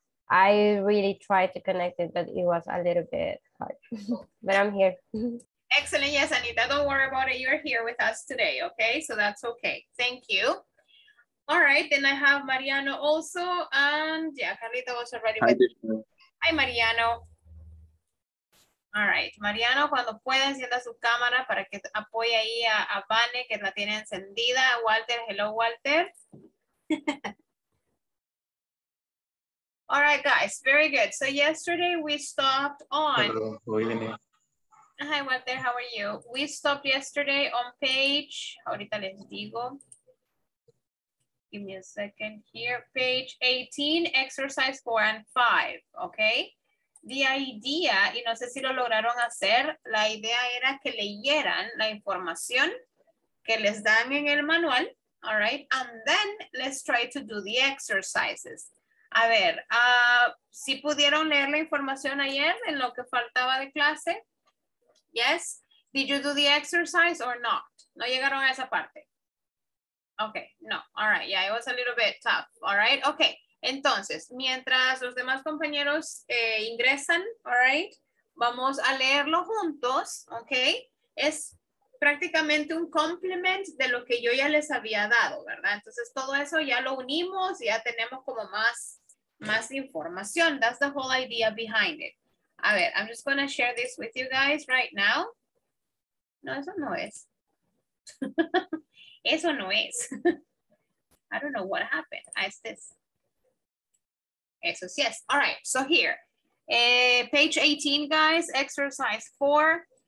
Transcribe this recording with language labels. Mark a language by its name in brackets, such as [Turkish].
[English] I really tried to connect it, but it was a little bit hard, but I'm here. Excellent. Yes, Anita, don't worry about it. You're here with us today. Okay. So that's okay. Thank you. All right. Then I have Mariano also. And yeah, Carlita was already with you. Hi, Mariano. All right. [Spanish] Mariano, cuando pueda, encienda su cámara para que apoye ahí a Vane, que la tiene encendida. [English] Walter, hello, Walter. All right, guys, very good. So yesterday we stopped on. Hello. Hi, Walter, how are you? We stopped yesterday on page, [Spanish] ahorita les digo. [English] Give me a second here. Page 18, exercise 4 and 5, okay? The idea, [Spanish] y no sé si lo lograron hacer, la idea era que leyeran la información que les dan en el manual, [English] all right? And then let's try to do the exercises. [Spanish] A ver, ¿sí pudieron leer la información ayer en lo que faltaba de clase? [English] Yes. Did you do the exercise or not? [Spanish] ¿No llegaron a esa parte? [English] Okay, no. All right, yeah, it was a little bit tough. All right, okay. [Spanish] Entonces, mientras los demás compañeros ingresan, [English] all right, [Spanish] vamos a leerlo juntos, okay? Es prácticamente un complement de lo que yo ya les había dado, ¿verdad? Entonces todo eso ya lo unimos y ya tenemos como más información. [English] That's the whole idea behind it. [Spanish] A ver, [English] I'm just going to share this with you guys right now. [Spanish] No, eso no es. Eso no es. [English] I don't know what happened. [Spanish] Ah, es [English] this. [Spanish] Eso sí es. [English] All right, so here. Page 18, guys. Exercise 4.